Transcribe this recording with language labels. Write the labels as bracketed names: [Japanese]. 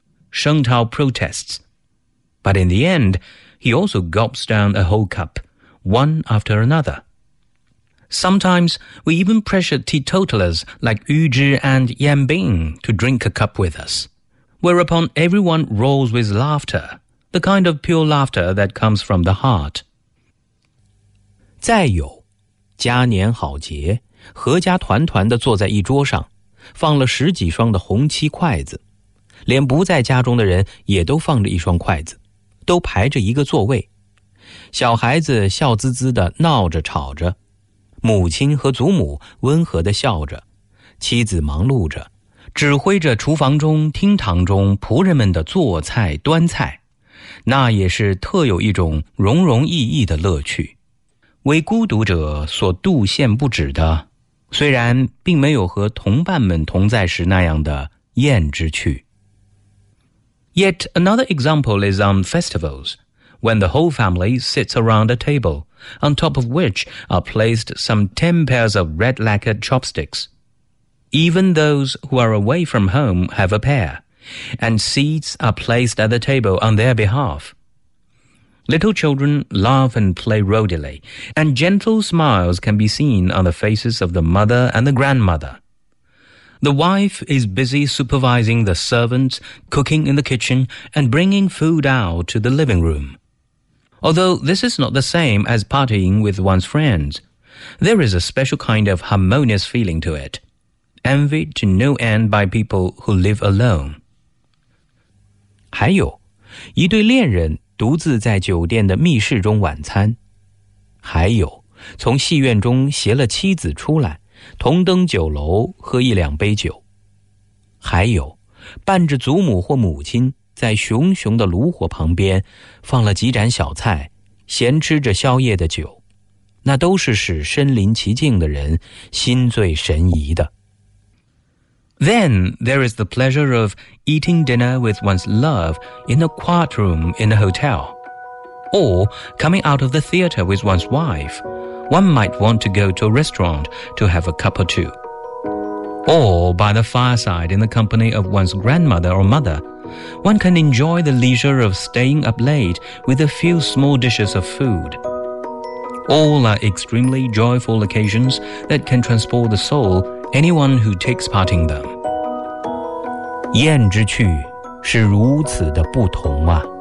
[English] Sheng Tao protests. But in the end, he also gulps down a whole cup, one after another. Sometimes we even pressure teetotalers like Yu Zhi and Yan Bing to drink a cup with us, whereupon everyone roars with laughter, the kind of pure laughter that comes from the heart. [Chinese] 再有，嘉年好节，阖家团团地坐在一桌上，放了十几双的红漆筷子，连不在家中的人也都放着一双筷子，都排着一个座位。小孩子笑滋滋地闹着吵着，母亲和祖母温和地笑着，妻子忙碌着，指挥着厨房中、厅堂中仆人们的做菜、端菜，那也是特有一种融融意义的乐趣。为孤独者所度限不止的，虽然并没有和同伴们同在时那样的宴之趣。 [English] Yet another example is on festivals, when the whole family sits around a table, on top of which are placed some 10 pairs of red lacquered chopsticks. Even those who are away from home have a pair, and seats are placed at the table on their behalf. Little children laugh and play rowdily, and gentle smiles can be seen on the faces of the mother and the grandmother. The wife is busy supervising the servants, cooking in the kitchen, and bringing food out to the living room. Although this is not the same as partying with one's friends, there is a special kind of harmonious feeling to it, envied to no end by people who live alone. [Chinese] 还有，一对恋人独自在酒店的密室中晚餐，还有从戏院中携了妻子出来，同登酒楼喝一两杯酒，还有伴着祖母或母亲在熊熊的炉火旁边放了几盏小菜，闲吃着宵夜的酒，那都是使身临其境的人心醉神怡的。 [English] Then there is the pleasure of eating dinner with one's love in a quiet room in a hotel. Or coming out of the theater with one's wife, one might want to go to a restaurant to have a cup or two. Or by the fireside in the company of one's grandmother or mother, one can enjoy the leisure of staying up late with a few small dishes of food. All are extremely joyful occasions that can transport the soul. Anyone who takes part in them. [Chinese] 宴之趣是如此的不同啊。